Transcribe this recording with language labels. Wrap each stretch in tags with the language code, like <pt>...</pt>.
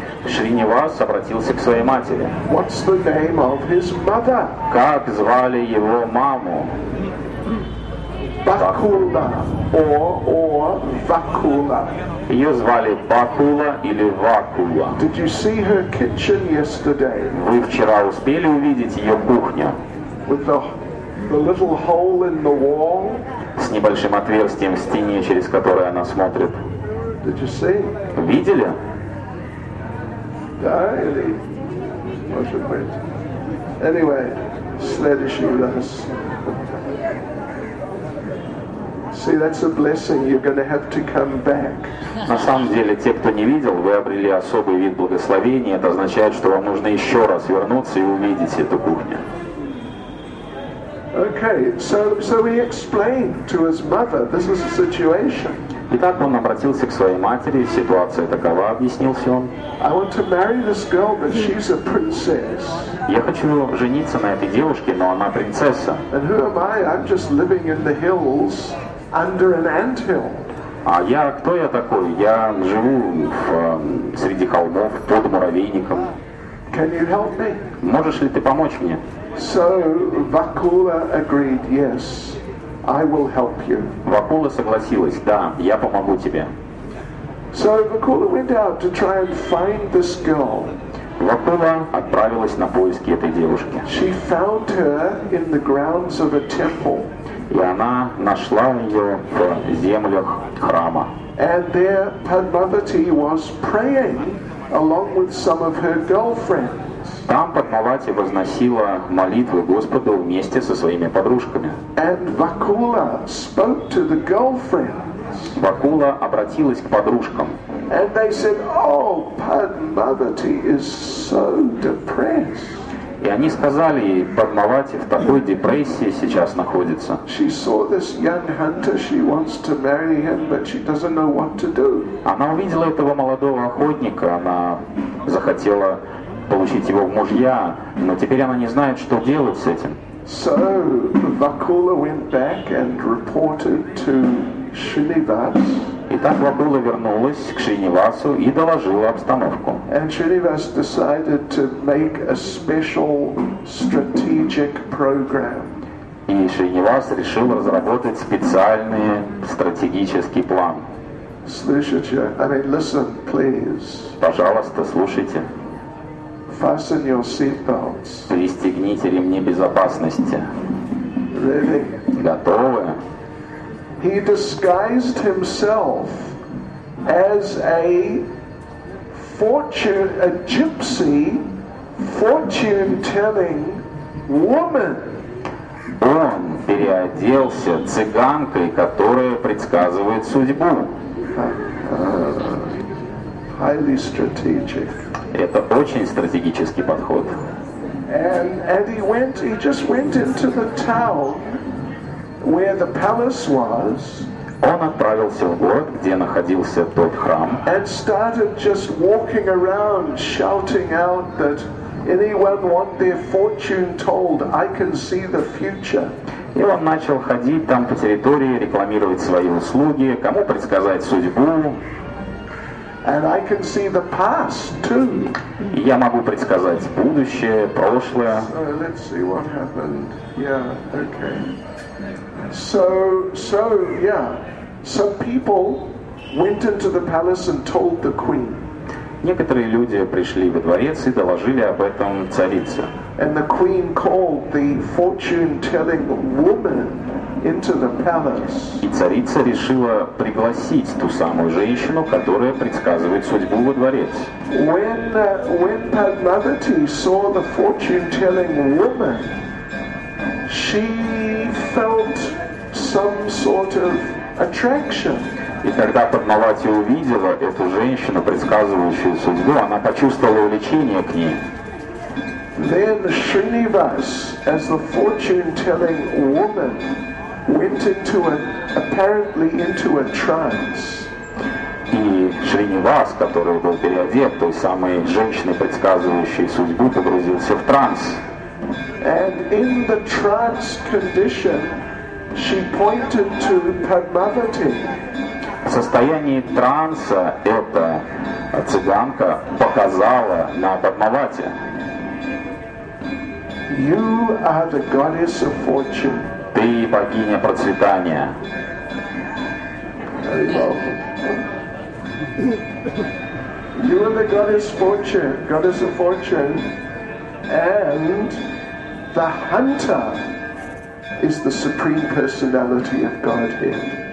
<ru>Шринивас обратился к своей матери.</ru> <en>What's the name of his mother?</en> <ru>Как звали его маму?</ru> <en>Бакула, or Вакула.</en> <ru>Ее звали Бакула или Вакула.</ru> <en>Did you see her kitchen yesterday?</en> <ru>Вы вчера успели увидеть ее кухню?</ru> <en>With the little hole in the wall?</en> <ru>С небольшим отверстием в стене, через которое она смотрит.</ru> <en>Did you see?</en> <ru>Видели? Да, или... Может быть.</ru> <en>Anyway,</en> <ru>следующий раз.</ru> <en>See, that's a blessing. You're going to have to come back.</en> <ru>На самом деле, те, кто не видел, вы обрели особый вид благословения. Это означает, что вам нужно еще раз вернуться и увидеть эту кухню.</ru> <en>Okay, so he explained to his mother, this is the situation.</en> <ru>Итак, он обратился к своей матери. Ситуация такова, объяснился он.</ru> <en>I want to marry this girl, but she's a princess.</en> <ru>Я хочу жениться на этой девушке, но она принцесса.</ru> <en>And who am I? I'm just living in the hills. Under an ant hill.</en> <ru>А я кто я такой? Я живу среди холмов под муравейником.</ru> <en>Can you help me?</en> <ru>Можешь ли ты помочь мне?</ru> <en>So Vakula agreed. Yes, I will help you.</en> <ru>Вакула согласилась. Да, я помогу тебе.</ru> <en>So Vakula went out to try and find this girl.</en> <ru>Вакула отправилась на поиски этой девушки.</ru> <en>She found her in the grounds of a temple.</en> <ru>И она нашла ее в землях храма.</ru> <en>And there Padmavati was praying along with some of her girlfriends.</en> <ru>Там Падмавати возносила молитвы Господу вместе со своими подружками.</ru> <en>And Vakula spoke to the girlfriends.</en> <ru>Вакула обратилась к подружкам.</ru> <en>And they said, "Oh, Padmavati is so depressed."</en> <ru>И они сказали ей, Падмавати в такой депрессии сейчас находится.</ru> <en>She saw this young hunter, she wants to marry him, but she doesn't know what to do.</en> <ru>Она увидела этого молодого охотника, она захотела получить его в мужья, но теперь она не знает, что делать с этим.</ru> <en>So Vakula went back and reported to Shrinivas.</en> <ru>И так Вакула вернулась к Шринивасу и доложила обстановку.</ru> <en>And Shrinivas decided to make a special strategic program.</en> <ru>И Шринивас решил разработать специальный стратегический план.</ru> <en>Listen, please.</en> <ru>Пожалуйста, слушайте.</ru> <en>Fasten your seatbelts.</en> <ru>Пристегните ремни безопасности.</ru> <en>Ready?</en> <ru>Готовы?</ru> <en>He disguised himself as a fortune, a gypsy, fortune-telling woman.</en> <ru>Он переоделся цыганкой, которая предсказывает судьбу.</ru> <en>Highly strategic.</en> <ru>Это очень стратегический подход.</ru> <en>And he just went into the town where the palace was.</en> <ru>Он отправился в город, где находился тот храм.</ru> <en>And started just walking around, shouting out that anyone want their fortune told, I can see the future.</en> <ru>И он начал ходить там по территории, рекламировать свои услуги, кому предсказать судьбу.</ru> <en>And I can see the past too.</en> <ru>Я могу предсказать будущее, прошлое.</ru> <en>Let's see what happened. Yeah, okay. So yeah. Some people went into the palace and told the queen.</en> <ru>Некоторые люди пришли во дворец и доложили об этом царице.</ru> <en>And the queen called the fortune-telling woman into the palace.</en> <ru>И царица решила пригласить ту самую женщину, которая предсказывает судьбу во дворец.</ru> <en>When Padmavati saw the fortune-telling woman, she felt some sort of attraction.</en> <ru>И когда Падмавати увидела эту женщину, предсказывающую судьбу, она почувствовала увлечение к ней.</ru> <en>Then Shrinivas, as the fortune-telling woman, went into apparently into a trance.</en> <ru>И Шринивас, который был переодет той самой женщиной, предсказывающей судьбу, погрузился в транс.</ru> <en>And in the trance condition, she pointed to Padmavati.</en> <ru>В состоянии транса эта цыганка показала на Падмавати.</ru> <en>You are the goddess of fortune.</en> <ru>Ты богиня процветания.</ru> <en>You are the goddess fortune, goddess of fortune, and the hunter is the supreme personality of Godhead.</en>